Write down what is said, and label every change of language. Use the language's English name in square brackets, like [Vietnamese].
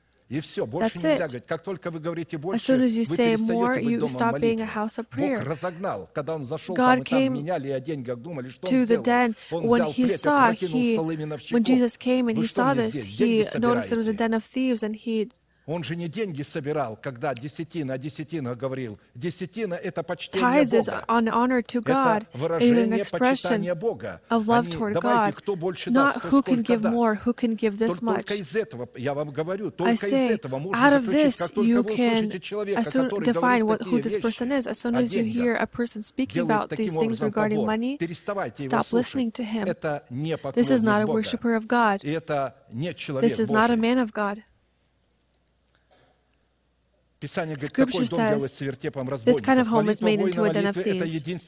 [English] That's it. As soon as you say more, you stop being a house of prayer. God came to the den. When Jesus came and he saw this, he noticed it was a den of thieves, and he... [Russian] Он же не деньги собирал, когда десятина, десятина говорил. Десятина – это почтение Бога. [English] Tithes is an honor to God. [Russian] Это выражение почитания Бога. [English] Of love toward God. [Russian] Кто больше даст, [English] not who can give more, who can give this much. [Russian] Только из этого, я вам говорю, только из этого можно заключить, как только вы услышите человека, который говорит такие вещи о деньгах. [English] Who this person is. As soon as you hear a person speaking about these things regarding money, stop listening to him. [Russian] Это не поклонник [English] This is not a worshiper of God. [Russian] И это не человек [English] This is not a man of God. Scripture says, this kind of home is made into a den of thieves.